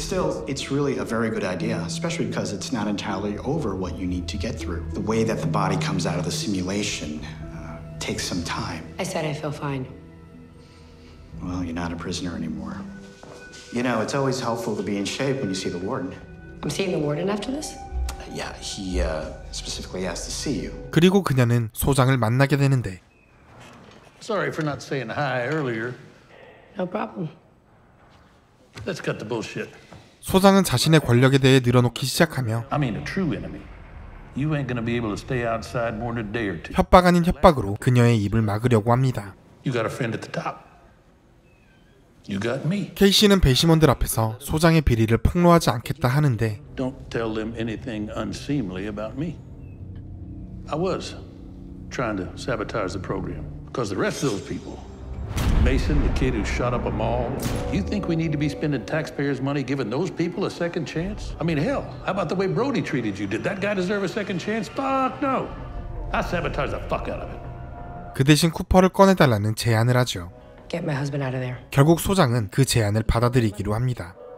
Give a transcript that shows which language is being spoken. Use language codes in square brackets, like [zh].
[en] Still, it's really a very good idea, especially because it's not entirely over what you need to get through. The way that the body comes out of the simulation takes some time. I said I feel fine. Well, you're not a prisoner anymore. You know, it's always helpful to be in shape when you see the warden. I'm seeing the warden after this? Yeah, he specifically asked to see you. [ko] 그리고 그녀는 소장을 만나게 되는데. [en] Sorry for not saying hi earlier. No problem. Let's cut the bullshit. [ko] 소장은 자신의 권력에 대해 늘어놓기 시작하며 [en] I mean a true enemy. You ain't gonna be able to stay outside more than a day or two. [ko] 협박 아닌 협박으로 그녀의 입을 막으려고 합니다. [en] You got a friend at the top. You got me. [ko] KC는 배심원들 앞에서 소장의 비리를 폭로하지 않겠다 하는데 [en] Don't tell them anything unseemly about me. I was trying to sabotage the program because the rest of those people Mason, the kid who shot up a mall. You think we need to be spending taxpayers' money giving those people a second chance? I mean, hell, how about the way Brody treated you? Did that guy deserve a second chance? Fuck no. I sabotaged the fuck out of it. [ko] 그 대신 쿠퍼를 꺼내달라는 제안을 하죠. [en] Get my husband out of there. [ko] 결국 소장은 그 제안을 받아들이기로 합니다.